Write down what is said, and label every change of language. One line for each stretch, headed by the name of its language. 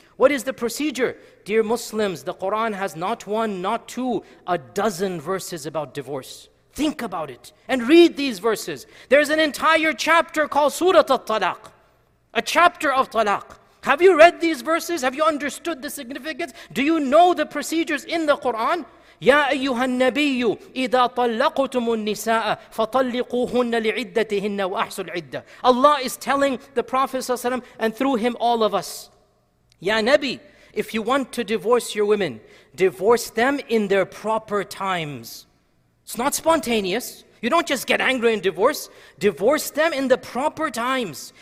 English: What is the procedure? Dear Muslims, the Quran has not one, not two, a dozen verses about divorce. Think about it and read these verses. There's an entire chapter called Surah At-Talaq, a chapter of Talaq. Have you read these verses? Have you understood the significance? Do you know the procedures in the Quran?
Arabic: يا أيها النبي إذا طلقتم النساء فطلقوهن لعدتهن وأحصوا العدة.
English: Allah is telling the Prophet ﷺ and through him all of us.
Arabic: يا نبي,
English: if you want to divorce your women, divorce them in their proper times. It's not spontaneous. You don't just get angry and divorce. Divorce them in the proper times.